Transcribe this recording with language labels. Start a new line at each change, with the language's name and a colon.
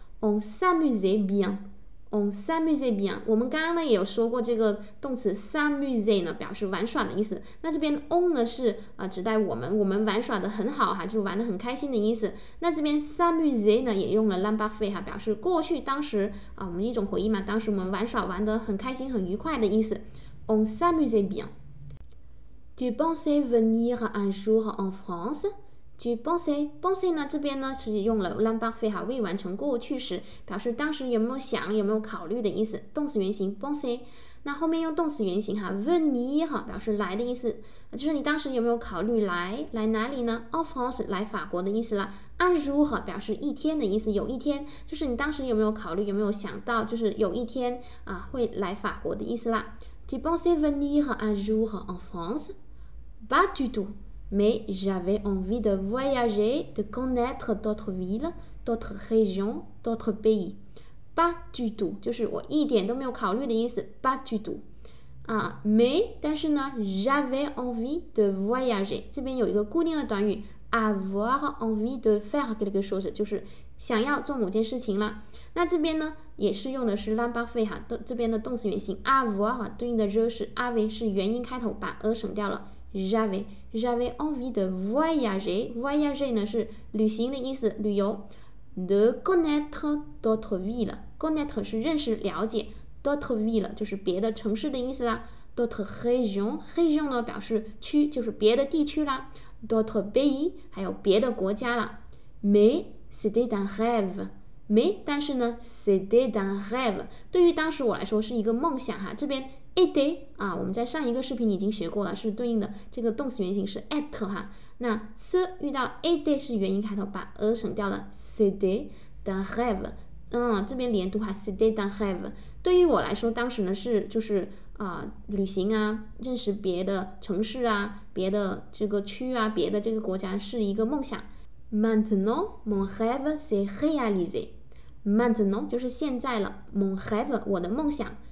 French: On s'amusait bien。On s'amusait bien，
Chinese: 我们刚刚呢也有说过这个动词 s'amuser 呢表示玩耍的意思。那这边 on 呢是指代我们玩耍的很好哈，就是玩的很开心的意思。那这边 s'amuser 呢也用了 l'imparfait 哈，表示过去当时我们一种回忆嘛，当时我们玩耍玩的很开心很愉快的意思。
French: On s'amusait bien。 Tu pensais venir un jour en France？ Tu pensais
Chinese: 呢这边呢是用了 l'imparfait 哈，未完成过去时，表示当时有没有想有没有考虑的意思，动词原形 pensais。那后面用动词原形哈 venir 表示来的意思，就是你当时有没有考虑来哪里呢？
French: en France
Chinese: 来法国的意思啦。
French: un jour
Chinese: 表示一天的意思，有一天，就是你当时有没有考虑有没有想到，就是有一天会来法国的意思啦。
French: Tu pensais venir un jour en France? Pas du tout。 Mais j'avais envie de voyager, de connaître d'autres villes, d'autres régions, d'autres pays. pas du tout，
Chinese: 就是我一点都没有考虑的意思， pas du tout。 Mais， 但是呢，
French: j'avais envie de voyager，
Chinese: 这边有一个固定的短语，
French: avoir envie de faire quelque chose，
Chinese: 就是想要做某件事情了。那这边呢也是用的是 l'emparfait， 这边的动词原形 avoir 对应的就是 avoir， 是元音开头，把 e 省掉了。
French: J'avais envie de voyager，
Chinese: voyager 呢是旅行的意思，旅游。
French: De connaître d'autres villes，
Chinese: connaître 是认识了解，
French: d'autres villes
Chinese: 就是别的城市的意思啦。
French: D'autres régions，
Chinese: régions 呢表示区，就是别的地区啦。
French: D'autres pays
Chinese: 还有别的国家啦。
French: Mais c'était un rêve，
Chinese: mais 但是呢
French: c'était un rêve
Chinese: 对于当时我来说是一个梦想哈。这边était 啊，我们在上一个视频已经学过了，是对应的这个动词原形是 at 哈。那 ce 遇到 était 是元音开头，把 e 省掉了。
French: C'était un rêve，
Chinese: 这边连读哈。
French: C'était un rêve，
Chinese: 对于我来说，当时呢是就是旅行啊，认识别的城市啊，别的这个区啊，别的这个国家是一个梦想。
French: Maintenant mon rêve s'est réalisé。
Chinese: Maintenant 就是现在了 ，
French: mon rêve
Chinese: 我的梦想。